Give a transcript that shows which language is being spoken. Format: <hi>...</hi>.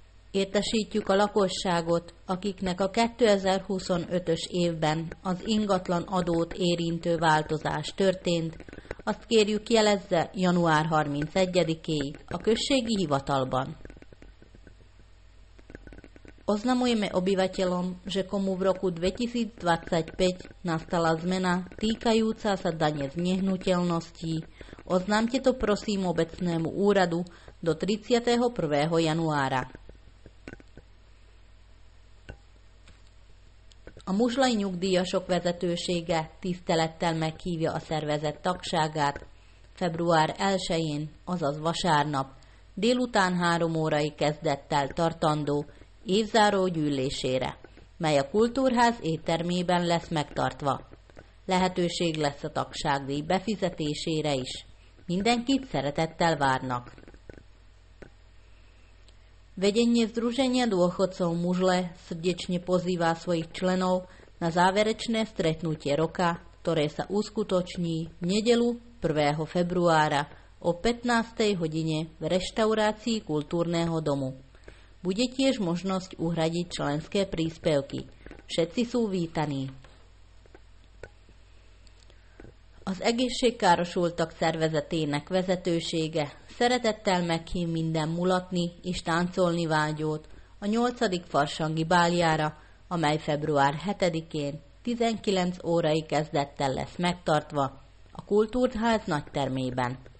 <hu>Értesítjük a lakosságot, akiknek a 2025-ös évben az ingatlan adót érintő változás történt, azt kérjük jelezze január 31-ig a községi hivatalban.</hu> <sk>Oznamujeme obyvateľom, že komu v roku 2025 nastala zmena týkajúca sa dane z nehnuteľností, oznámte to prosím obecnému úradu do 31. januára.</sk> <hu>A Muzslay nyugdíjasok vezetősége tisztelettel meghívja a szervezet tagságát február 1-én, azaz vasárnap, délután 3 órai kezdettel tartandó évzáró gyűlésére, mely a Kultúrház éttermében lesz megtartva. Lehetőség lesz a tagságdíj befizetésére is. Mindenkit szeretettel várnak.</hu> <sk>Vedenie Združenia dôchodcov Mužle srdečne pozýva svojich členov na záverečné stretnutie roka, ktoré sa uskutoční v nedeľu 1. februára o 15. hodine v reštaurácii Kultúrneho domu. Bude tiež možnosť uhradiť členské príspevky. Všetci sú vítaní.</sk> <hu>Az Egészségkárosultak szervezetének vezetősége szeretettel meghív minden mulatni és táncolni vágyót a 8. farsangi báljára, amely február 7-én 19 órai kezdettel lesz megtartva a Kultúrház nagytermében.</hu>